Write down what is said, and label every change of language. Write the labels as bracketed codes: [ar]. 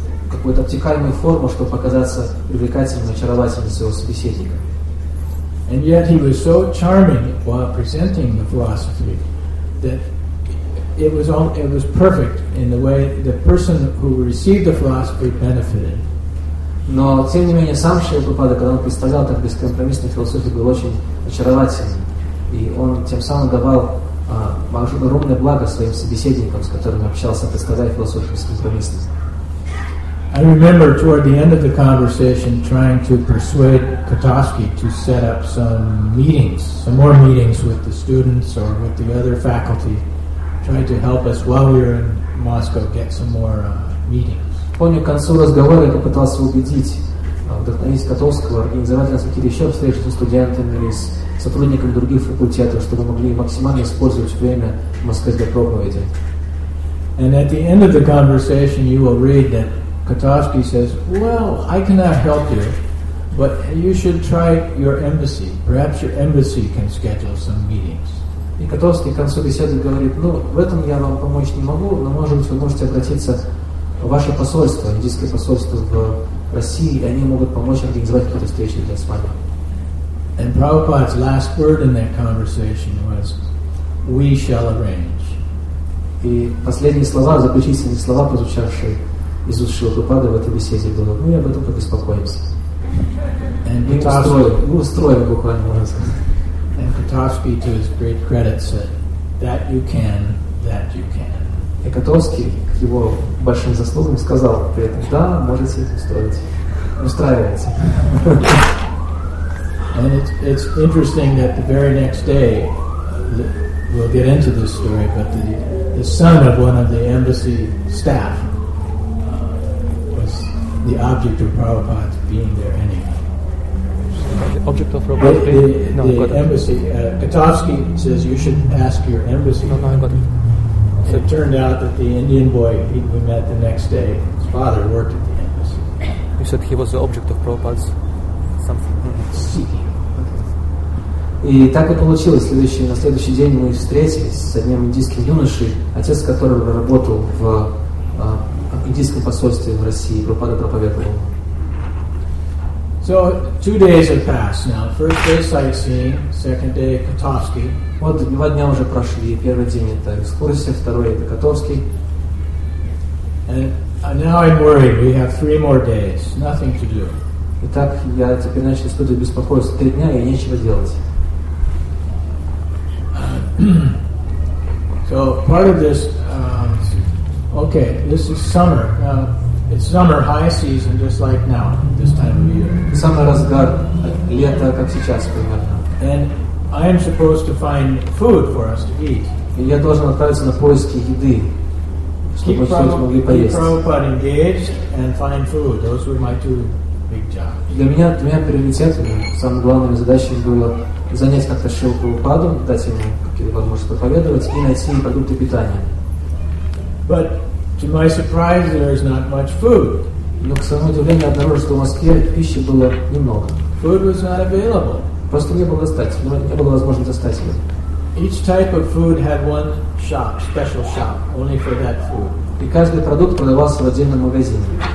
[ru] какую-то обтекаемую форму, чтобы показаться привлекательным и очаровательным своего собеседника. [en] And yet he was so charming while presenting the philosophy that it was all, it was perfect in the way the person who received the philosophy benefited. [ru] Но тем не менее сам Шри Прабхупада, когда он представлял так бескомпромиссную философию, был очень очарователен, и он тем самым давал огромное благо своим собеседникам, с которыми общался, представляя философию бескомпромиссно. [en] I remember toward the end of the conversation trying to persuade Katosky to set up some meetings, some more meetings with the students or with the other faculty, trying to help us while we were in Moscow get some more meetings. [ru] Помню, к концу разговора я попытался убедить вдохновить Катовского организовать нас какие-то еще встречи со студентами или с сотрудниками других факультетов, чтобы мы могли максимально использовать время в Москве для проповеди. [en] And at the end of the conversation you will read that Katovsky says, well, I cannot help you, but you should try your embassy. Perhaps your embassy can schedule some meetings. [ru] И Катовский к концу беседы говорит, ну, в этом я вам помочь не могу, но, может быть, вы можете обратиться в ваше посольство, индийское посольство в России, и они могут помочь организовать какие-то встречи для с вами. [en] And Prabhupada's last word in that conversation was, we shall arrange. [ru] И последние слова, заключительные слова, прозвучавшие из уст Шрилы Прабхупады в этой беседе, было, мы об этом побеспокоимся. [en] And [ru] мы устроим буквально, можно сказать. [en] And Katovsky, to his great credit, said, that you can, that you can. [ru] И Катовский к его большим заслугам сказал при этом, да, можете это устроить. Устраивайте. [en] And it's interesting that the very next day, we'll get into this story, but the son of one of the embassy staff was the object of Prabhupada being there anyway. The object of Prabhupada being there? No, the embassy. Katovsky says you should ask your embassy. No, I got it. So it turned out that the Indian boy we met the next day, his father worked at the embassy. You said he was the object of Prabhupada's something. [ru] И так и получилось. На следующий день мы встретились с одним индийским юношей, отец которого работал в индийском посольстве в России, Прабхупада проповедовал. [en] So, 2 days have passed now. First day sightseeing, second day Katovsky. [ru] Вот 2 дня уже прошли. Первый день это экскурсия, второй это Катовский. [en] And now I'm worried. We have 3 more days. Nothing to do. [ru] Итак, я теперь начал испытывать беспокойство. 3 дня, и нечего делать. [en] So part of this, okay, this is summer. It's summer high season, just like now, this time of year. [ru] Самый разгар лета, как сейчас примерно. [en] And I am supposed to find food for us to eat. [ru] И я должен отправиться на поиски еды, чтобы мы все могли поесть. [en] Keep Prabhupada engaged and find food. Those were my 2 big jobs. [ru] Для меня приоритетами, самыми главными задачами было занять как-то Шрилу Прабхупаду, дать ему какие-то возможности проповедовать и найти ему продукты питания. [en] But to my surprise, there is not much food. [ru] Но к своему удивлению обнаружил, что в Москве пищи было немного. [en] Food was not available. [ru] Просто не было достать, не было возможности достать ее. [en] Each type of food had one shop, special shop, only for that food. [ru] И каждый продукт продавался в отдельном магазине.